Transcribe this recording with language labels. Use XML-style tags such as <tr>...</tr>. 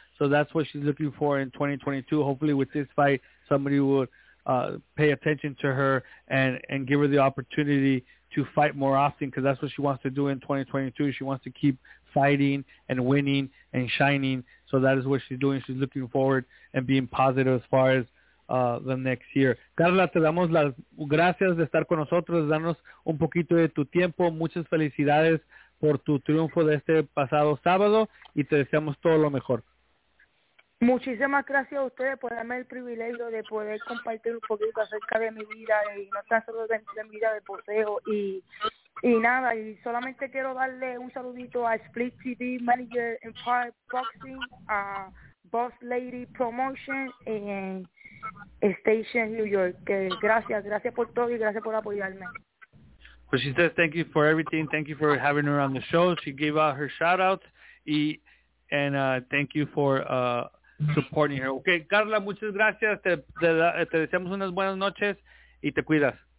<en>So that's what she's looking for in 2022. Hopefully with this fight, somebody would pay attention to her and give her the opportunity to fight more often because that's what she wants to do in 2022. She wants to keep fighting and winning and shining. So that is what she's doing. She's looking forward and being positive as far as the next year.</en> <es>Carla, te damos las gracias de estar con nosotros, darnos un poquito de tu tiempo. Muchas felicidades por tu triunfo de este pasado sábado y te deseamos todo lo mejor. Muchísimas gracias a ustedes por darme el privilegio de poder compartir un poquito acerca de mi vida y no tan solo de mi vida de poseo y nada, y solamente quiero darle un saludito a Split TV Manager en Park Boxing, a Boss Lady Promotion en Station New York, que gracias por todo y gracias por apoyarme.</es> <en>Pues she says thank you for everything, thank you for having her on the show, she gave out her shout out thank you for supporting her.</en> <es>Okay, Carla, muchas gracias. Te deseamos unas buenas noches y te cuidas.</es>